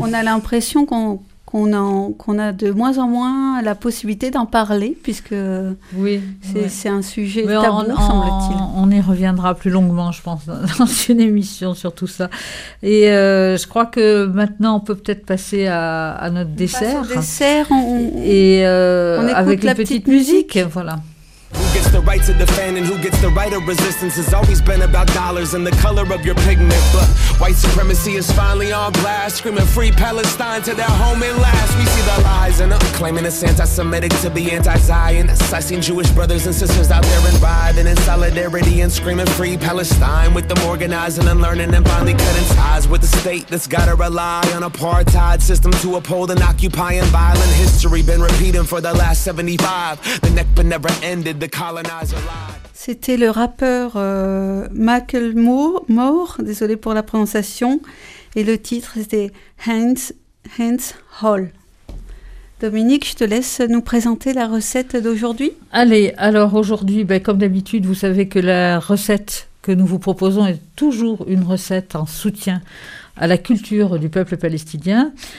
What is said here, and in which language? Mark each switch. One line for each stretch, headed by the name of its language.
French: On a l'impression qu'on a de moins en moins la possibilité d'en parler, puisque oui, c'est un sujet mais tabou, semble-t-il. On y reviendra plus longuement, je pense, dans une émission sur tout ça. Et je crois que maintenant, on peut peut-être passer à notre dessert. On passe au dessert, on écoute avec la petite musique. Voilà.
English: Who gets the right to defend and who gets the right of resistance has always been about dollars and the color of your pigment. But white supremacy is finally on blast, screaming free Palestine to their home at last. We see the lies and claiming it's anti-Semitic to be anti-Zionist. I've seen Jewish brothers and sisters out there imbibing in solidarity and screaming free Palestine with them organizing and learning and finally cutting ties with a state that's gotta rely on apartheid system to uphold and occupy and violent history been repeating for the last 75. The neck but never ended.
French: C'était le rappeur Macklemore, désolé pour la prononciation, et le titre c'était Hans Hall. Dominique, je te laisse nous présenter la recette d'aujourd'hui. Allez, alors aujourd'hui, ben, comme d'habitude, vous savez que la recette que nous vous proposons est toujours une recette en soutien à la culture du peuple palestinien.